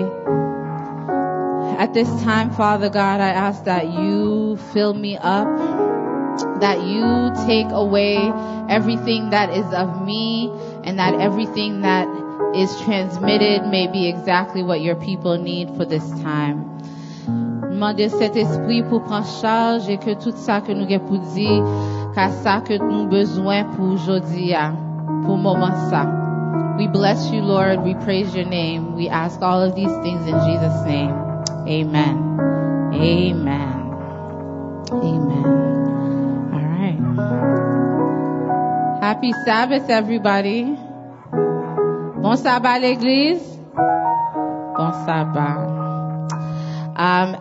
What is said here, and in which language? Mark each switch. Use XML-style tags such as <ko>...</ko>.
<en>At this time, Father God, I ask that you fill me up, that you take away everything that is of me, and that everything that is transmitted may be exactly what your people need for this time.</en> <fr>Demandez cet esprit pour prendre charge et que tout ça que nous avons pour dire, car ça que nous besoin pour aujourd'hui, pour moment ça.</fr> <en>We bless you, Lord. We praise your name. We ask all of these things in Jesus' name. Amen. Amen. Amen. All right. Happy Sabbath, everybody.</en> <fr>Bon sabbat, l'église. Bon sabbat.</fr>